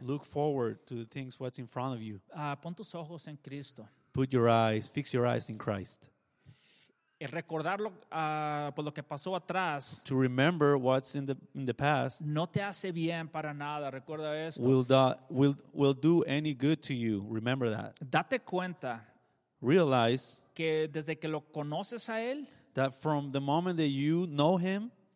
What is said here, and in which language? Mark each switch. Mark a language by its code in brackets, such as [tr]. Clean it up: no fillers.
[en] Look forward to the things what's in front of you. [es] Pon tus ojos en Cristo. [en] Put your eyes, fix your eyes in Christ. [es] El recordarlo por lo que pasó atrás. [en] To remember what's in the past. [es] No te hace bien para nada. Recuerda esto. [en] Will do any good to you. Remember that. [es] Date cuenta. [en] Realize [es] que desde que lo conoces a él. [en] That from the moment that you know him.